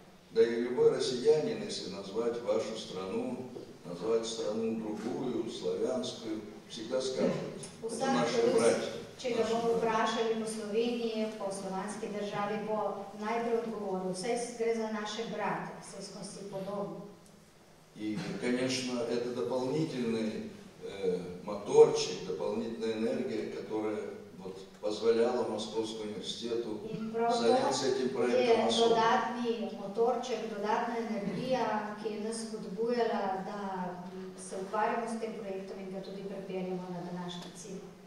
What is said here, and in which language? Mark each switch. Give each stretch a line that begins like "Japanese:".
Russian: Да и любой россиянин, если назвать вашу страну, назвать страну другую, славянскую, всегда скажет, это наши братья.
Slovenian: Če ga bomo vprašali po Sloveniji, po slovanski državi, bo najprej odgovoril, vse gre za naše brate, vse smo si podobni. In,
Russian: конечно, это дополнительный моторчик, дополнительная энергия, которая вот позволяла Московскому университету заняться этим проектом особо.
Slovenian: Dodatni motorček, dodatna energija, ki je nas spodbujala, da se ukvarjamo s tem projektom in ga tudi pripeljamo na današnji cilj.